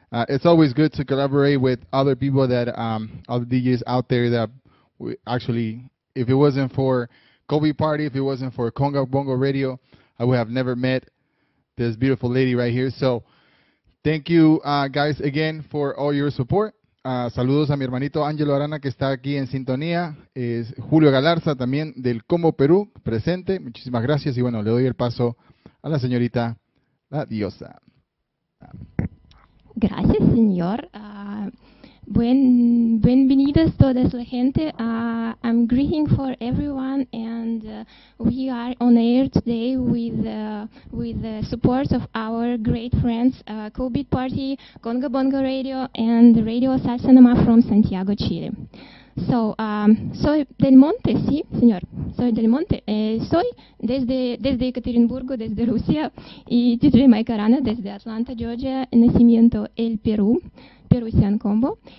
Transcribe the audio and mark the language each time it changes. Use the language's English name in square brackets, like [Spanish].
[English] It's always good to collaborate with other people that, other DJs out there that we actually, if it wasn't for Kobe Party, if it wasn't for Conga Bongo Radio, I would have never met this beautiful lady right here. So thank you guys again for all your support. [Spanish] Saludos a mi hermanito Angelo Arana, que está aquí en sintonía. Es Julio Galarza, también del Combo Perú, presente. Muchísimas gracias. Y bueno, le doy el paso a la señorita La Diosa. Gracias, señor. Bienvenidos todas la gente. [English] I'm greeting for everyone, and we are on air today with the support of our great friends, Kobe Party, Conga Bongo Radio, and Radio Salsa from Santiago, Chile. [Spanish] So, soy del monte, sí, señor. Soy del monte. Soy desde Yekaterinburgo, desde Rusia, y DJMike Arana desde Atlanta, Georgia, nacimiento el Perú, Peruvian Combo.